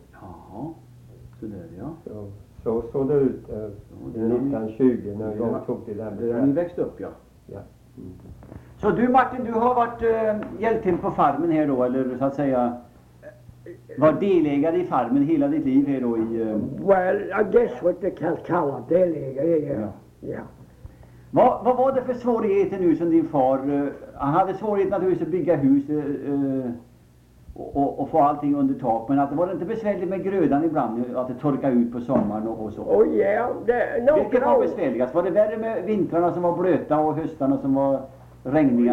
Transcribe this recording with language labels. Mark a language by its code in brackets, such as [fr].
[sv] Jaha, så där, ja. Så såg det ut 1920 när de tog till den. Det är ni växte upp, ja. Ja. Mm. Så du Martin, du har varit hjälten på farmen här då, eller så att säga? Var delägare i farmen hela ditt liv här då i... [en] Well, I guess what they can call a delägare, yeah. [sv] Vad var det för svårigheter nu som din far... Han hade svårighet naturligtvis att bygga hus och få allting under tak. Men att det var inte besvärligt med grödan ibland, att det torkade ut på sommaren och så? [en] Oh yeah, no. [sv] Vilket var besvärligast? Var det värre med vintrarna som var blöta och höstarna som var regniga?